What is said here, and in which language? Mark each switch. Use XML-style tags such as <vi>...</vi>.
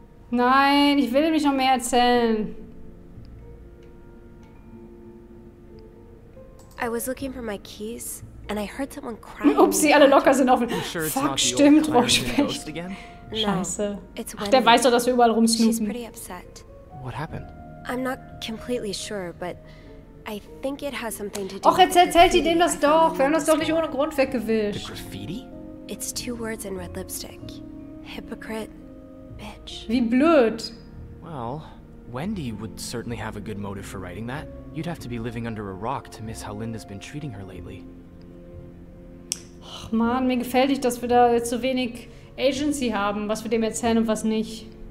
<de>Nein, ich will ihm nicht noch mehr erzählen.</de> <en>I was looking for my keys, and I heard someone crying.</en> <de>Upsi, alle Locker sind offen. Sure, fuck, stimmt, Rorschach. Scheiße.</de> <en>It's</en> <de>Ach, der weiß doch, dass wir überall rumsnoopen.</de> <en>She's pretty upset. What happened? I'm not completely sure, but I think it has something to do.</en> <de>Och, jetzt erzählt sie dem das doch. Wir haben das doch nicht ohne Grund weggewischt.</de> <en>The graffiti? It's two words in red lipstick. Hypocrite, bitch.</en> <de>Wie blöd.</de> <en>Well, Wendy would certainly have a good motive for writing that. You'd have to be living under a rock to miss how Linda's been treating her lately.</en> <de>Ach man, mir gefällt nicht, dass wir da jetzt so wenig Agency haben, was wir dem erzählen und was nicht.</de>